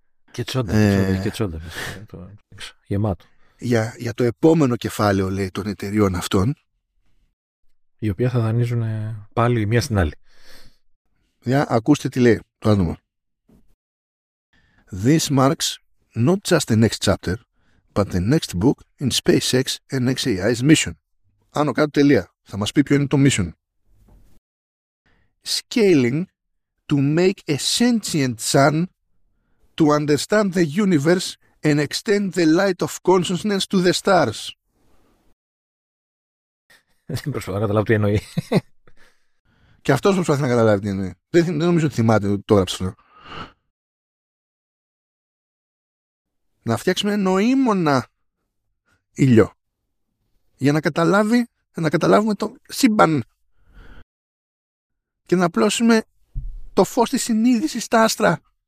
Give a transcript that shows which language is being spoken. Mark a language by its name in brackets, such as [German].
[Greek] Και τσόντα. Και τσόντα. Γεμάτο. Για το επόμενο κεφάλαιο, λέει, των εταιριών αυτών. Η οποία θα δανείζουν πάλι μία στην άλλη. Για ακούστε τι λέει το άτομο. [English] This marks not just the next chapter, but the next book in SpaceX and XAI's mission. [Greek] Άνω κάτω τελεία. Θα μας πει ποιο είναι το mission. [English] Scaling to make a sentient sun to understand the universe and extend the light of consciousness to the stars. [Greek] Δεν προσπαθώ να καταλάβω τι εννοεί. Και αυτός προσπαθεί να καταλάβει τι εννοεί. Δεν νομίζω ότι θυμάται ότι το έγραψε. Να φτιάξουμε νοήμονα ήλιο για να καταλάβουμε το σύμπαν και να απλώσουμε το φως της συνείδησης στα άστρα.